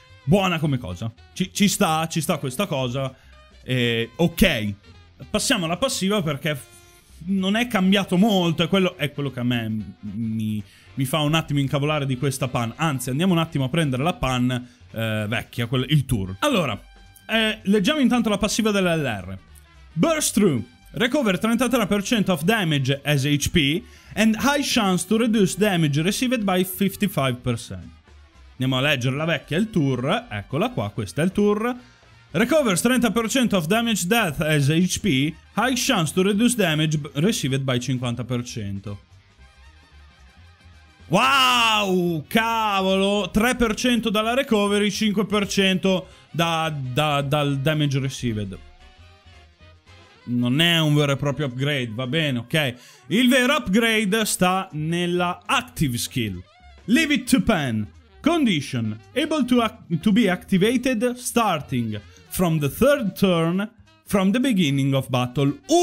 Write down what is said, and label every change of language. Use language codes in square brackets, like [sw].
[it] Buona come cosa, ci sta questa cosa, ok. Passiamo alla passiva perché non è cambiato molto, è quello che a me mi fa un attimo incavolare di questa pan. Anzi, andiamo un attimo a prendere la pan vecchia, il tour. Allora, leggiamo intanto la passiva dell'LR. [en] Burst through, recover 33% of damage as HP and high chance to reduce damage received by 55%. [it] Andiamo a leggere la vecchia, il tour. Eccola qua, questo è il tour. Recovers 30% of damage death as HP, high chance to reduce damage received by 50%. Wow, cavolo, 3% dalla recovery, 5% dal damage received. Non è un vero e proprio upgrade, va bene, ok. Il vero upgrade sta nella [en] active skill. Leave it to pen. Condition, able to be activated starting from the third turn from the beginning of battle.